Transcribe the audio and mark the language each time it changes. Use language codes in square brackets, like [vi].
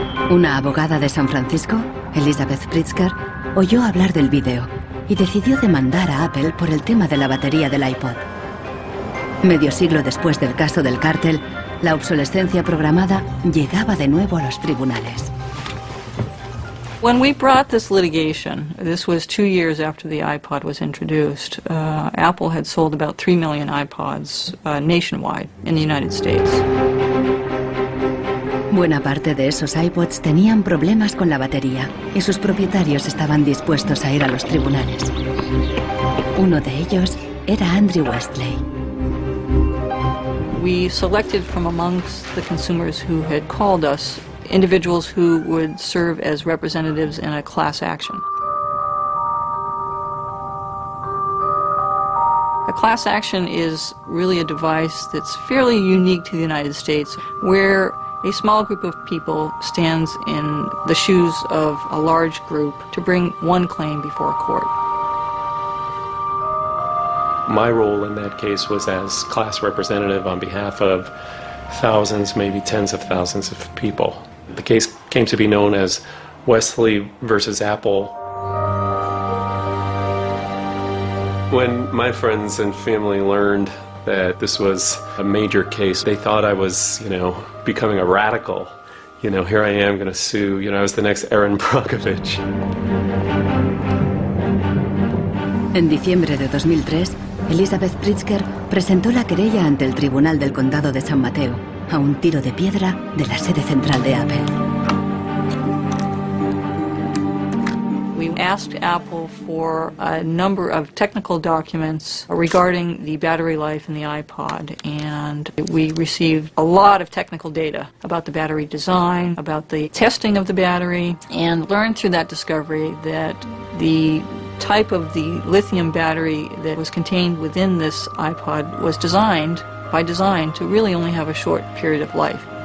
[es] Una abogada de San Francisco, Elizabeth Pritzker, oyó hablar del video y decidió demandar a Apple por el tema de la batería del iPod. Medio siglo después del caso del cártel, la obsolescencia programada llegaba de nuevo a los tribunales. [en] When we brought this litigation, this was 2 years after the iPod was introduced, Apple had sold about 3 million iPods nationwide in the United States. [es] Buena parte de esos iPods tenían problemas con la batería y sus propietarios estaban dispuestos a ir a los tribunales. Uno de ellos era Andrew Westley. [en] we selected from amongst the consumers who had called us individuals who would serve as representatives in a class action. A class action is really a device that's fairly unique to the United States, where a small group of people stands in the shoes of a large group to bring one claim before a court. My role in that case was as class representative on behalf of thousands, maybe tens of thousands of people. The case came to be known as Wesley versus Apple. When my friends and family learned that this was a major case, they thought I was, you know, becoming a radical. You know, here I am going to sue. You know, I was the next Aaron Brockovich. [es] En diciembre de 2003, Elizabeth Pritzker presentó la querella ante el Tribunal del Condado de San Mateo, a un tiro de piedra de la sede central de Apple. [en] Asked Apple for a number of technical documents regarding the battery life in the iPod, and we received a lot of technical data about the battery design, about the testing of the battery, and learned through that discovery that the type of the lithium battery that was contained within this iPod was designed by design to really only have a short period of life.